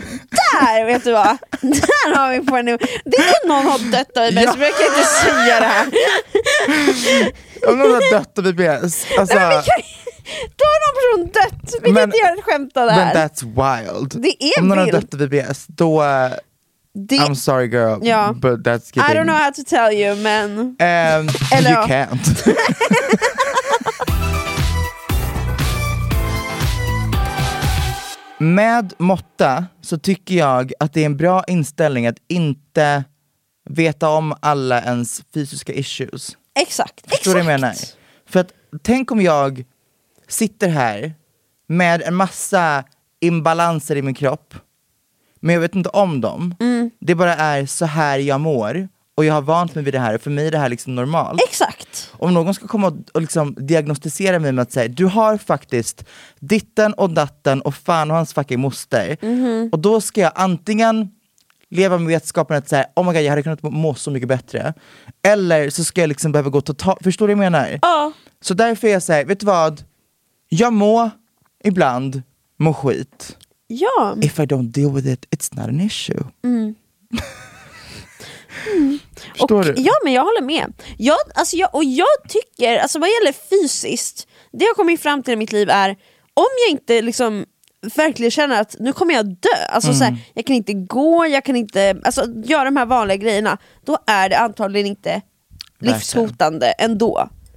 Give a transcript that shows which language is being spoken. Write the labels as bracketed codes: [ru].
[sv] Där, vet du vad? Där har vi på en nivå. Det är inte någon har dött av IBS, men jag kan inte säga det här. Om någon har dött av IBS. Alltså, då har någon person dött. Vi kan inte göra ett skämt av det här. Men [en] that's wild. [sv] Det är om någon har dött av IBS, då... [en] I'm sorry girl, yeah, but that's I don't know how to tell you, [sv] men [en] you can't. [sv] Med måtta så tycker jag att det är en bra inställning att inte veta om alla ens fysiska issues. Exakt. Förstår du vad jag menar? För att tänk om jag sitter här med en massa imbalanser i min kropp, men jag vet inte om dem. Mm. Det bara är så här jag mår. Och jag har vant mig vid det här. Och för mig är det här liksom normalt. Exakt. Om någon ska komma och liksom diagnostisera mig med att säga, du har faktiskt ditten och datten och fan och hans fucking moster. Mm. Och då ska jag antingen leva med vetskapen att säga, [en] oh my god, [sv] jag hade kunnat må så mycket bättre. Eller så ska jag liksom behöva gå och ta. Förstår du vad jag menar? Ja. Så därför är jag så här, vet du vad? Jag mår ibland må skit. Ja. [en] If I don't deal with it, it's not an issue. [sv] Förstår du? Ja, men jag håller med. Jag tycker, alltså vad gäller fysiskt, det jag kommit fram till i mitt liv är, om jag inte liksom verkligen känner att nu kommer jag dö, alltså så här, jag kan inte gå, jag kan inte, alltså göra de här vanliga grejerna, då är det antagligen inte livshotande ändå.